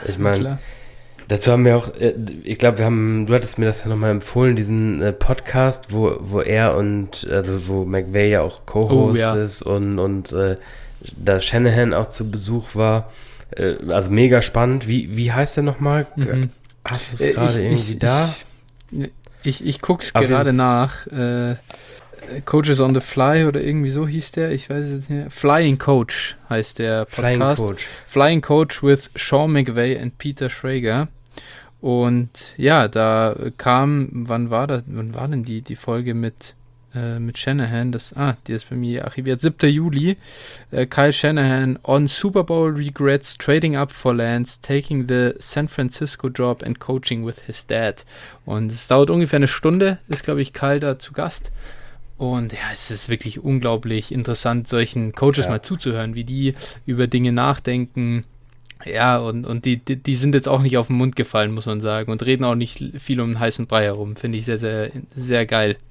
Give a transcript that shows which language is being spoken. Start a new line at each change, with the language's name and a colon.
German: ich meine, dazu haben wir auch, ich glaube, du hattest mir das ja nochmal empfohlen, diesen Podcast, wo er und, also wo McVay ja auch Co-Host ist und da Shanahan auch zu Besuch war. Also mega spannend. Wie heißt der nochmal? Mhm. Hast du es gerade irgendwie da? Ich guck's auf gerade nach. Coaches on the Fly oder irgendwie so hieß der, ich weiß es nicht mehr. Flying Coach heißt der Podcast. Flying Coach. Flying Coach with Sean McVay and Peter Schrager. Und ja, da kam, wann war denn die Folge mit Shanahan? Die ist bei mir archiviert. 7. Juli.
English: Kyle Shanahan on Super Bowl Regrets, trading up for Lance, taking the San Francisco job and coaching with his dad.
German: Und es dauert ungefähr eine Stunde, ist glaube ich Kyle da zu Gast. Und ja, es ist wirklich unglaublich interessant, solchen Coaches mal zuzuhören, wie die über Dinge nachdenken. Ja, und die sind jetzt auch nicht auf den Mund gefallen, muss man sagen. Und reden auch nicht viel um den heißen Brei herum. Finde ich sehr, sehr, sehr geil.